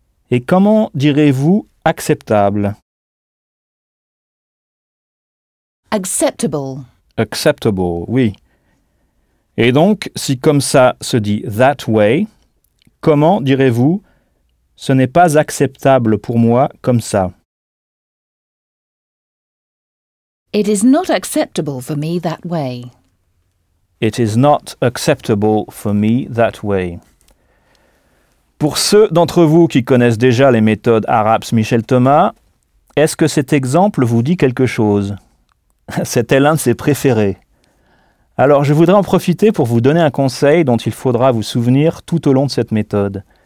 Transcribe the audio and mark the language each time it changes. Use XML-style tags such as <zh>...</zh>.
<fr>Et comment direz-vous « acceptable » ? Acceptable. Acceptable, oui. Et donc, si comme ça se dit «</fr> <en>that way</en> <fr>», comment direz-vous « ce n'est pas acceptable pour moi comme ça » ?</fr> <en>It is not acceptable for me that way. It is not acceptable for me that way.</en> <fr>Pour ceux d'entre vous qui connaissent déjà les méthodes ARAPS Michel Thomas, est-ce que cet exemple vous dit quelque chose? C'était l'un de ses préférés. Alors, je voudrais en profiter pour vous donner un conseil dont il faudra vous souvenir tout au long de cette méthode.</fr>